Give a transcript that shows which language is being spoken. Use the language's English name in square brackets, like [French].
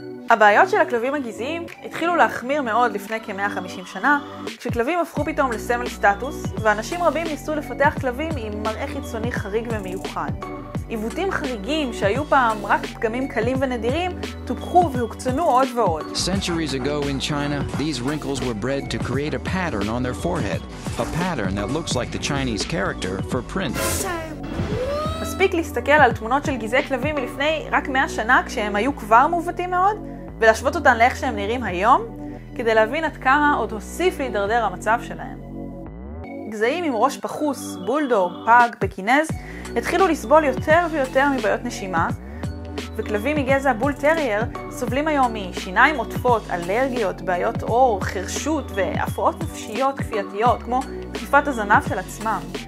[Hebrew] הבעיות של הכלבים הגזעיים התחילו להחמיר מאוד לפני כ-150 שנה, כשכלבים הפכו פתאום לסמל סטטוס, ואנשים רבים ניסו לפתח כלבים עם מראה חיצוני חריג ומיוחד. עיוותים חריגים שהיו פעם רק פגמים קלים ונדירים, טופחו והוקצנו עוד ועוד. [English] Centuries ago in China, these wrinkles were bred to create a pattern on their forehead, a pattern that looks like the Chinese character for prince. [Hebrew] מספיק להסתכל על תמונות של גזעי כלבים מלפני רק 100 שנה כשהם היו כבר מובטים מאוד, ולהשוות אותן לאיך שהם נראים היום, כדי להבין עד כמה עוד הוסיף להידרדר המצב שלהם. גזעים עם ראש פחוס, בולדוג, פאג, פקינז, התחילו לסבול יותר ויותר מבעיות נשימה, וכלבים מגזע בול טרייר סובלים היום משיניים עוטפות, אלרגיות, בעיות אור, חרשות והפרעות נפשיות כפייתיות, כמו חיפת הזנב של עצמם.